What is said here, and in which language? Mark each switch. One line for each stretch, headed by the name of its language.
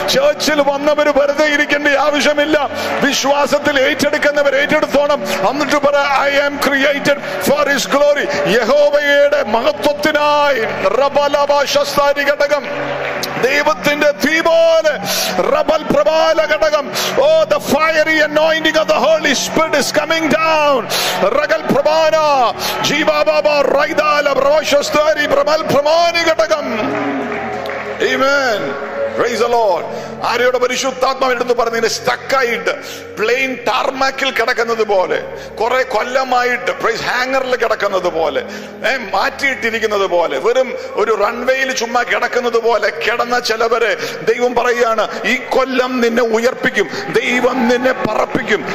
Malayalam: ചേർച്ചിൽ വന്നവർ വെറുതെ ഇരിക്കേണ്ട ആവശ്യമില്ല, വിശ്വാസത്തിൽ ഏറ്റെടുക്കുന്നവർ ഏറ്റെടുത്തോണം. എന്നിട്ട് പറ
English: I am created for his glory.
Malayalam: യഹോവയുടെ മഹത്വത്തിനായി റബലവശസ്താരികടകം ദൈവത്തിന്റെ തീപോലെ റബൽ പ്രബാലകടകം.
English: Oh, the fiery anointing of the Holy Spirit is coming down. റഗൽ പ്രബാന ജീവബാബ റൈദാല പ്രവശസ്താരി പ്രബൽ പ്രമാണികടകം. Amen. Praise the Lord.
Malayalam: ആരെയോട് പരിശുദ്ധാത്മാവ് എടുത്ത് പറഞ്ഞ സ്റ്റക്കായിട്ട് പ്ലെയിൻ ടാർമാക്കിൽ കിടക്കുന്നത് പോലെ, കുറെ കൊല്ലമായിട്ട് പ്രൈസ് ഹാങ്ങറിൽ കിടക്കുന്നത് പോലെ, മാറ്റിയിട്ടിരിക്കുന്നത് പോലെ, വെറും ഒരു റൺവേയിൽ ചുമ്മാ കിടക്കുന്നത് പോലെ കിടന്ന ചിലവരെ ദൈവം പറയുകയാണ്, ഈ കൊല്ലം നിന്നെ ഉയർപ്പിക്കും, ദൈവം നിന്നെ പറപ്പിക്കും.